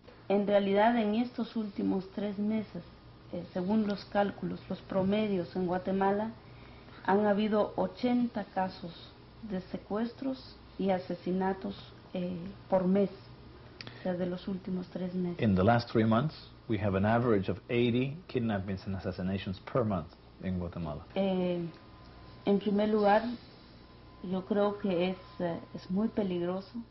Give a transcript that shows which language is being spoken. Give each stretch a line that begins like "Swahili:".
Spanish: En realidad, en estos últimos tres meses, según los cálculos, los promedios en Guatemala, han habido 80 casos de secuestros y asesinatos por mes, o sea, de los últimos tres meses.
English: In the last 3 months, we have an average of 80 kidnappings and assassinations per month in Guatemala.
Spanish: En primer lugar, yo creo que es muy peligroso.